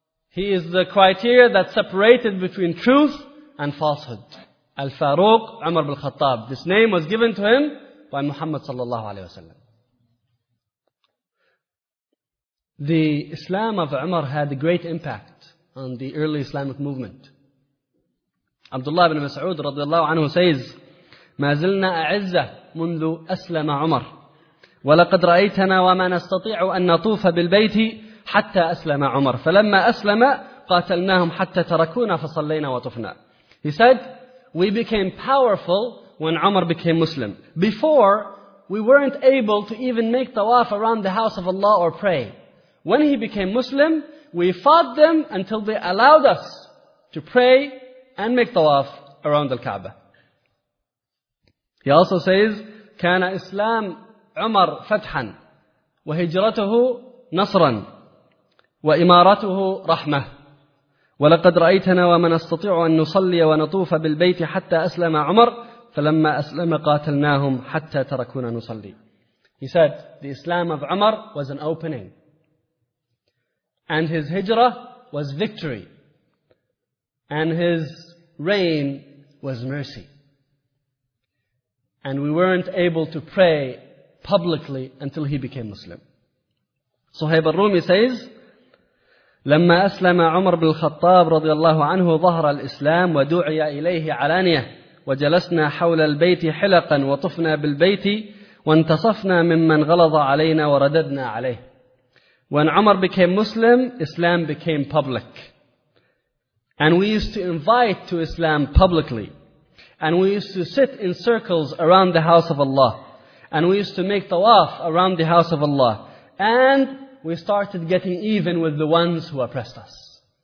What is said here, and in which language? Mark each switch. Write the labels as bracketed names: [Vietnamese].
[English] He is the criteria that separated between truth and falsehood. Al-Faruq, Umar bin Khattab. This name was given to him by Muhammad sallallahu alayhi wa sallam. The Islam of Umar had a great impact on the early Islamic movement. [Arabic] Abdullah ibn Mas'ud radiallahu anhu [English] says, [Arabic] مَا زِلْنَا أَعِزَّةٌ مُنْذُ أَسْلَمَ عُمَرْ وَلَقَدْ رَأَيْتَنَا وَمَا نَسْتَطِيعُ أَنْ نَطُوفَ بِالْبَيْتِ حَتَّى أَسْلَمَ عُمَرْ فَلَمَّا أَسْلَمَ قَاتَلْنَاهُمْ حَتَّى تَرَكُونَا فَصَلَّيْنَا وَطُفْنَا. [English] He said, we became powerful when Umar became Muslim. Before, we weren't able to even make tawaf around the house of Allah or pray. When he became Muslim, we fought them until they allowed us to pray and make tawaf around the Kaaba. He also says, [Arabic] كان إسلام عمر فتحا وهجرته نصرا وإمارته رحمة ولقد رأيتنا ومن استطيع أن نصلي ونطوف بالبيت حتى أسلم عمر فلما أسلم قاتلناهم حتى تركونا نصلي. [English] He said, the Islam of Umar was an opening, and his hijrah was victory, and his reign was mercy. And we weren't able to pray publicly until he became Muslim. [Arabic] Suhayb al-Rumi [English] says, [Arabic] لما أسلم عمر بن الخطاب رضي الله عنه ظهر الإسلام ودعي إليه علانية وجلسنا حول البيت حلقا وطفنا بالبيت وانتصفنا ممن غلظ علينا ورددنا عليه. [English] When Umar became Muslim, Islam became public. And we used to invite to Islam publicly. And we used to sit in circles around the house of Allah. And we used to make tawaf around the house of Allah. And we started getting even with the ones who oppressed us.